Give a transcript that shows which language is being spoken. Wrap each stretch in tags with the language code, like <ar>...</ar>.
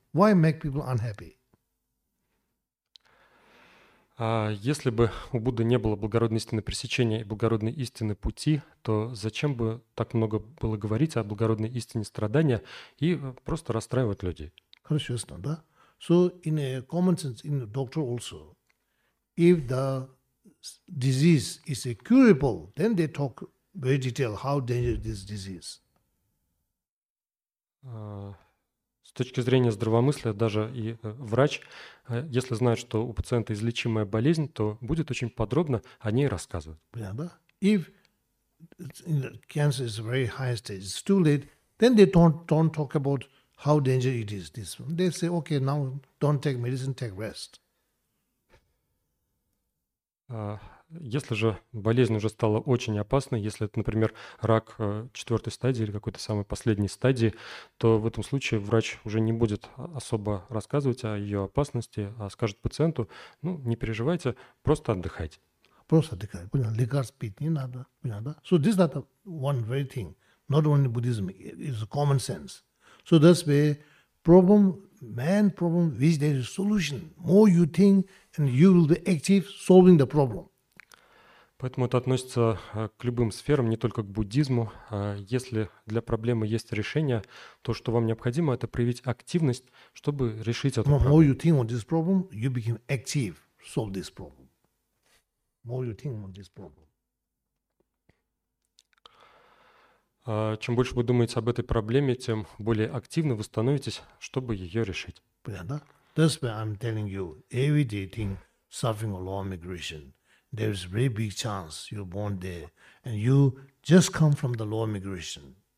<en>Why make people unhappy?</en> <ru>Если бы у Будды не было благородной истины пресечения и благородной истины пути, то зачем бы так много было говорить о благородной истине страдания и просто расстраивать людей? Хорошо, ясно, да?</ru> <en>So, in a common sense, in the doctor also, if the disease is a curable, then they talk very detailed how dangerous this disease.</en> <ru>С точки зрения здравомыслия, даже и врач, если знает, что у пациента излечимая болезнь, то будет очень подробно о ней рассказывать. Понятно, да?</ru> <en>If cancer is very high stage, it's too late, then they don't talk about how dangerous it is. This one. They say, okay, now don't take medicine, take rest.</en> <ru>Если же болезнь уже стала очень опасной, если это, например, рак четвертой стадии или какой-то самой последней стадии, то в этом случае врач уже не будет особо рассказывать о ее опасности, а скажет пациенту, ну, не переживайте, просто отдыхайте. Просто отдыхайте, понятно, лекарств пить не надо, понятно, да?</ru> <en>So this is not one very thing, not only Buddhism, it's common sense. So that's the problem, man problem, which there is a solution. More you think, and you will be active solving the problem.</en> <ru>Поэтому это относится к любым сферам, не только к буддизму. Если для проблемы есть решение, то, что вам необходимо, это проявить активность, чтобы решить эту проблему.</ru> <en>More you think on this problem, you become active, solve this problem. More you think on this problem.</en> <ru>Чем больше вы думаете об этой проблеме, тем более активны вы становитесь, чтобы ее решить. Понятно?</ru> <en>That's why I'm telling you, every day think suffering or low migration. There is a very big chance you're born there, and you just come from the low migration.</en>